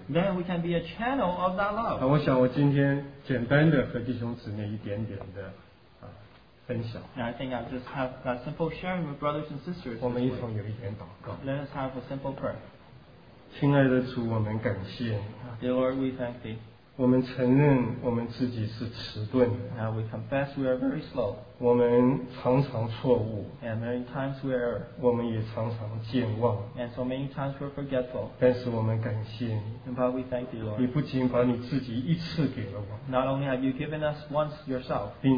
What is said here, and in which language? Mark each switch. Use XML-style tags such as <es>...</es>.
<en>then we can be a channel of that love.</en> <zh>我想我今天简单的和弟兄姊妹一点点的</zh> <en>And I think I just have a simple sharing with brothers and sisters. Let us have a simple prayer.</en> <zh>亲爱的主,</zh> <en>Dear Lord, we thank thee.</en> <zh>我们承认我们自己是迟钝的,</zh> <en>and we confess we are very slow.</en> <zh>我们常常错误,</zh> <en>and many times we err.</en> <zh>我们也常常健忘,</zh> <en>and so many times we're forgetful.</en> <zh>但是我们感谢你,</zh> <en>but we thank thee, Lord.</en> <zh>你不仅把你自己一次给了我,</zh> <en>not only have you given us once yourself,</en>